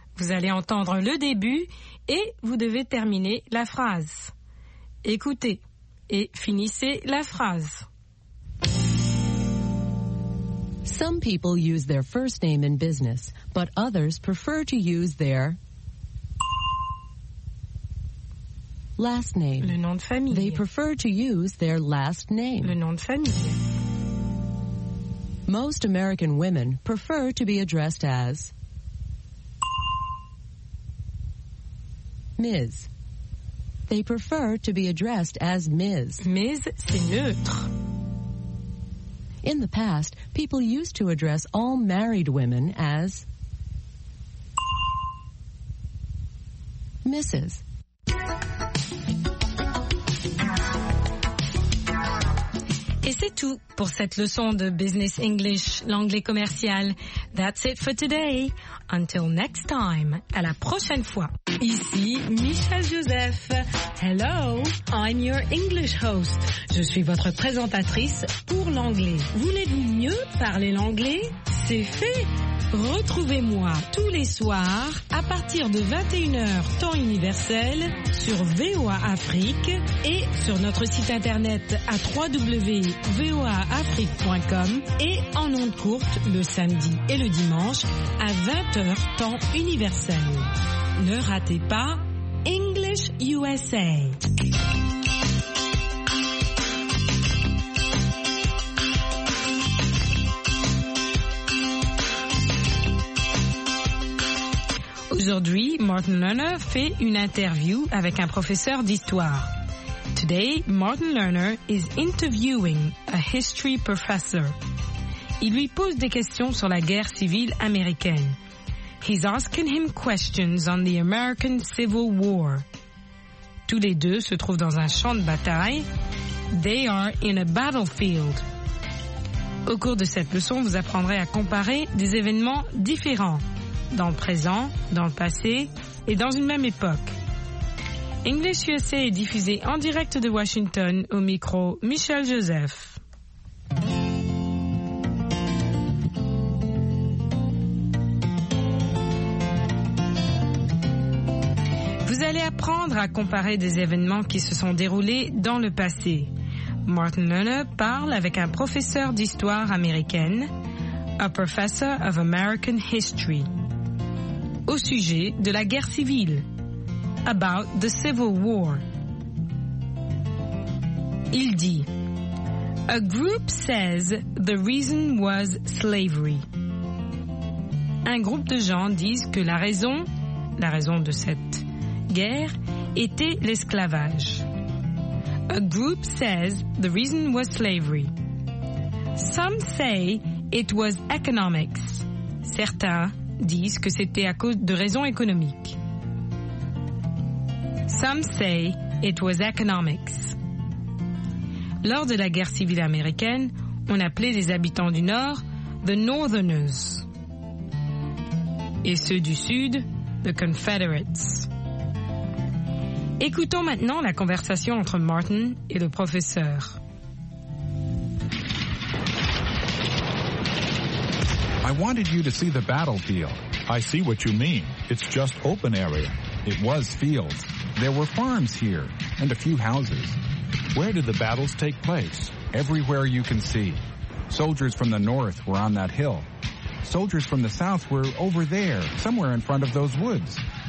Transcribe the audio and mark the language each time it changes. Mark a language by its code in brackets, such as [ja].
[fr] Vous allez entendre le début et vous devez terminer la phrase. Écoutez et finissez la phrase. [en] Some people use their first name in business, but others prefer to use their last name. [fr] Le nom de famille. [en] They prefer to use their last name. [fr] Le nom de famille. [en] Most American women prefer to be addressed as Ms. They prefer to be addressed as Ms. [fr] Ms, c'est neutre. [en] In the past, people used to address all married women as Mrs. [fr] Et c'est tout pour cette leçon de Business English, l'anglais commercial. [en] That's it for today. Until next time. [fr] À la prochaine fois. Ici Michel Joseph. [en] Hello, I'm your English host. [fr] Je suis votre présentatrice pour l'anglais. Voulez-vous mieux parler l'anglais? C'est fait. Retrouvez-moi tous les soirs à partir de 21h temps universel sur VOA Afrique et sur notre site internet à www.voaafrique.com et en ondes courtes le samedi et le dimanche à 20h temps universel. Ne ratez pas English USA. Aujourd'hui, Martin Lerner fait une interview avec un professeur d'histoire. [en] Today, Martin Lerner is interviewing a history professor. [fr] Il lui pose des questions sur la guerre civile américaine. [en] He's asking him questions on the American Civil War. [fr] Tous les deux se trouvent dans un champ de bataille. [en] They are in a battlefield. [fr] Au cours de cette leçon, vous apprendrez à comparer des événements différents. Dans le présent, dans le passé et dans une même époque. English USA est diffusé en direct de Washington au micro Michel Joseph. Vous allez apprendre à comparer des événements qui se sont déroulés dans le passé. Martin Lerner parle avec un professeur d'histoire américaine, [en] a professor of American history. [fr] Au sujet de la guerre civile. About the Civil War. Il dit, [en] a group says the reason was slavery. [fr] Un groupe de gens disent que la raison de cette guerre était l'esclavage. [en] A group says the reason was slavery. Some say it was economics. [fr] Certains disent que c'était à cause de raisons économiques. [en] Some say it was economics. [fr] Lors de la guerre civile américaine, on appelait les habitants du Nord [en] the Northerners [fr] et ceux du Sud [en] the Confederates. [fr] Écoutons maintenant la conversation entre Martin et le professeur. [en] I wanted you to see the battlefield. I see what you mean. It's just open area. It was fields. There were farms here and a few houses. Where did the battles take place? Everywhere you can see. Soldiers from the north were on that hill. Soldiers from the south were over there, somewhere in front of those woods.